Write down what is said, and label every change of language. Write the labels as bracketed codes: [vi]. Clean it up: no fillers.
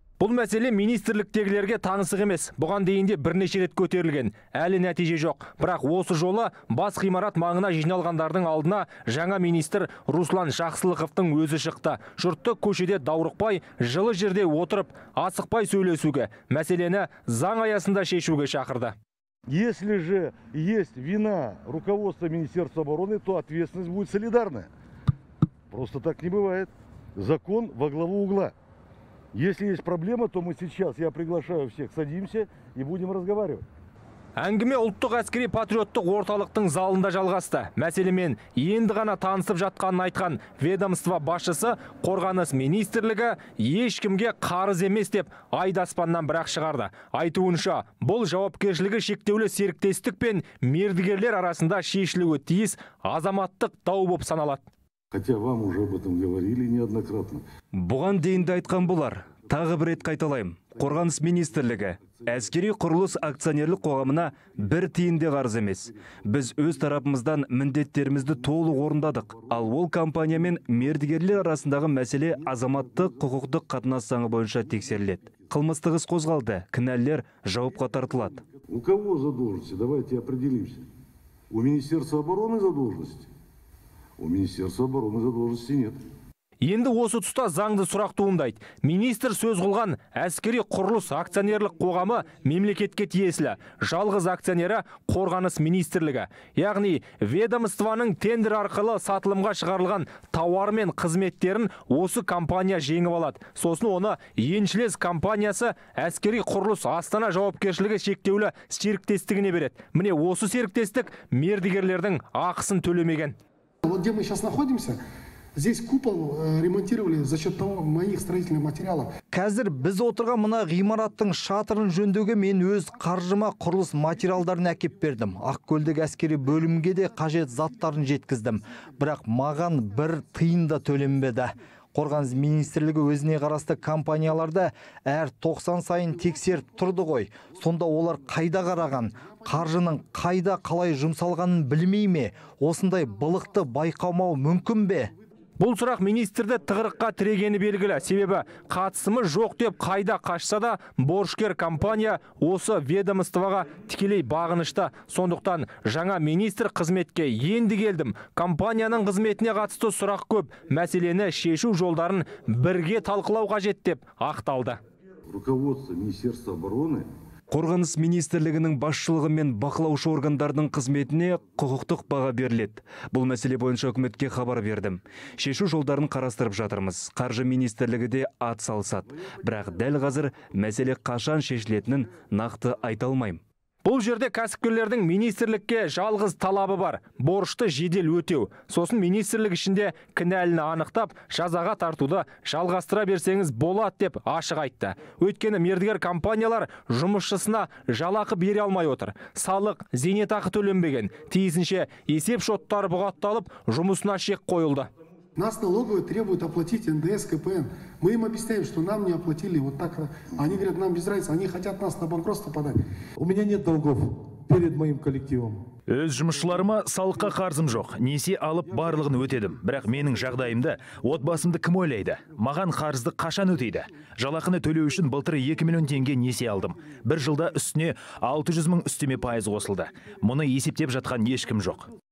[kk] Бұл мәселе министрліктегілерге таңсық емес. Бұған дейін де бірнеше рет көтерілген. Әлі нәтиже жоқ. Бірақ осы жолы бас ғимарат маңына жиналғандардың алдына жаңа министр Руслан Жақсылықовтың өзі шықты. Жұртты көшеде даурықпай, жылы жерде отырып, асықпай сөйлесуге, мәселені заң аясында шешуге шақырды. [ru] Если же есть вина руководства Министерства обороны, то ответственность будет солидарная. Просто так не бывает. Закон во главу угла. Если есть проблема, то мы сейчас, я приглашаю всех, садимся и будем разговаривать. [kk] Әңгіме ұлттық әскери патриоттық орталықтың залында жалғасты. Мәселемен енді ғана танысып жатқанын айтқан ведомство басшысы қорғаныс министрлігі ешкімге қарыз емес деп айдаспаннан бірақ шығарды. Айтуынша, бұл жауапкершілігі шектеулі серіктестік пен мердігерлер арасында шешілуі тиіс азаматтық дау болып саналады. [ru] Хотя вам уже об этом говорили неоднократно. [kk] Бұған дейін де айтқан болар. Тағы бір рет қайталайым. Қорғаныс министрлігі әскери құрылыс акционерлік қоғамына бір тиын де қарыз емес. Біз өз тарапымыздан міндеттерімізді толық орындадық. Ал ол компания мен мердігерлер арасындағы мәселе азаматтық құқықтық қатынас заңы бойынша тексеріледі. Қылмыстық іс қозғалды, кінәлілер жауапқа тартылады. [ru] У кого задолженность? Давайте определимся. У Министерства обороны задолженность. У Министерства обороны задолженности нет. [kk] Енді осы тұста заңды сұрақ туындайды. Министр сөз қылған әскери құрылыс акционерлік қоғамы мемлекетке тиесілі. Жалғыз акционері қорғаныс министрлігі. Яғни ведомствоның тендер арқылы сатылымға шығарылған тауар мен қызметтерін осы компания жеңіп алады. Сосын оны еншілес компаниясы әскери құрылыс Астана жауапкершілігі шектеулі серіктестігіне береді. Міне осы серіктестік мердігерлердің ақысын төлемеген. [ru] Вот где мы сейчас находимся, здесь купол ремонтировали за счет того моих строительных материалов. [kk] Қазір біз отырған мына ғимараттың шатырын жөндеуге мен өз қаржыма құрылыс материалдарын әкеп бердім. Ақкөлдік әскери бөлімге де қажет заттарын жеткіздім. Бірақ маған бір тиын да төленбеді. Қорғаныс министрлігі өзіне қарасты компанияларды әр 90 сайын тексер тұрды ғой. Сонда олар қайда қараған, қаржының қайда қалай жұмсалғанын білмей ме? Осындай былықты байқамау мүмкін бе? Бұл сұрақ министрді тығырыққа тірегені белгілі. Себебі қатысымы жоқ деп қайда қашса да борышкер компания осы ведомствоға тікелей бағынышты. Сондықтан жаңа министр қызметке енді келдім. Компанияның қызметіне қатысты сұрақ көп. Мәселені шешу жолдарын бірге талқылау қажет деп ақталды. [ru] Руководство Министерства обороны. [kk] Қорғаныс министрлігінің басшылығы мен бақылаушы органдардың қызметіне құқықтық баға беріледі. Бұл мәселе бойынша үкіметке хабар бердім. Шешу жолдарын қарастырып жатырмыз. Қаржы министрлігі де ат салысады. Бірақ дәл қазір мәселе қашан шешілетінін нақты айта алмаймын. Бұл жерде кәсіпкерлердің министрлікке жалғыз талабы бар. Борышты жедел өтеу. Сосын министрлік ішінде кінәліні анықтап, жазаға тартуды жалғастыра берсеңіз болады деп ашық айтты. Өйткені мердігер компаниялар жұмысшысына жалақы бере алмай отыр. Салық, зейнетақы төленбеген. Тиісінше есеп шоттары бұғатталып, жұмысына шек қойылды. [ru] Нас налоговые требуют оплатить НДС, КПН. Мы им объясняем, что нам не оплатили вот так. Они говорят, нам без разницы, они хотят нас на банкротство подать. У меня нет долгов перед моим коллективом. [kk] Өз жұмысшыларыма салыққа қарзым жоқ. Несе алып барлығын өтедім. Бірақ менің жағдайымды, отбасымды кім ойлайды? Маған қарызды қашан өтейді? Жалақыны төлеу үшін былтыр 2 миллион теңге несе алдым. Бір жылда үстіне 600 мың үстеме пайыз қосылды. Мұны есептеп жатқан ешкім жоқ.